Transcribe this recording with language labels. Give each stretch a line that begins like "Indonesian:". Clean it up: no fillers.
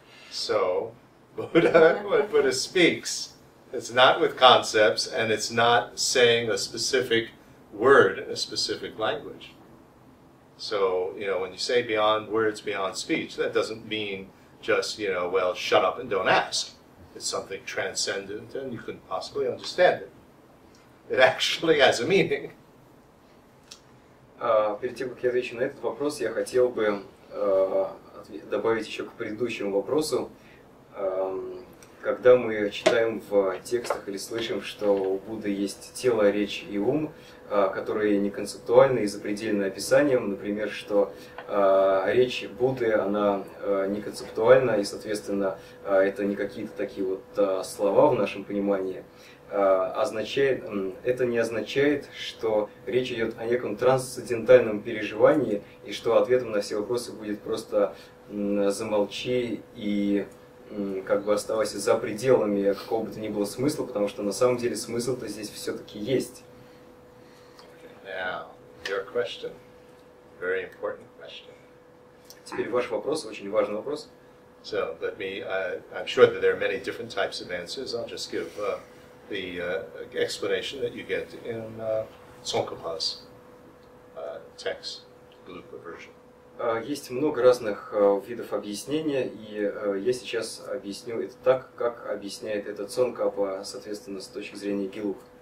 English: So Buddha, when Buddha speaks, it's not with concepts and it's not saying a specific word in a specific language. So, you know, when you say beyond words, beyond speech, that doesn't mean just, you know, well, shut up and don't ask. It's something transcendent and you couldn't possibly understand it. It actually has a meaning.
Russian: Перед тем, как я отвечу на этот вопрос, я хотел бы добавить еще к предыдущему вопросу. Когда мы читаем в текстах или слышим, что у Будды есть тело, речь и ум, которые не концептуальны и запредельны описанием, например, что речь Будды, она не концептуальна, и, соответственно, это не какие-то такие вот слова в нашем понимании, означает, это не означает, что речь идет о неком трансцендентальном переживании, и что ответом на все вопросы будет просто «замолчи» и как бы оставайся за пределами какого бы то ни было смысла, потому что на самом деле смысл-то здесь все-таки есть.
English: Now, your question. Very important question.
Russian: Теперь ваш вопрос, очень важный вопрос.
English: So, let me, I'm sure that there are many different types of answers. I'll just give the explanation that you get in Tsongkhapa's text, Gelugpa version.
Russian: Есть много разных видов объяснения, и я сейчас объясню это так, как объясняет этот Цонкапа, соответственно, с точки зрения Гилу.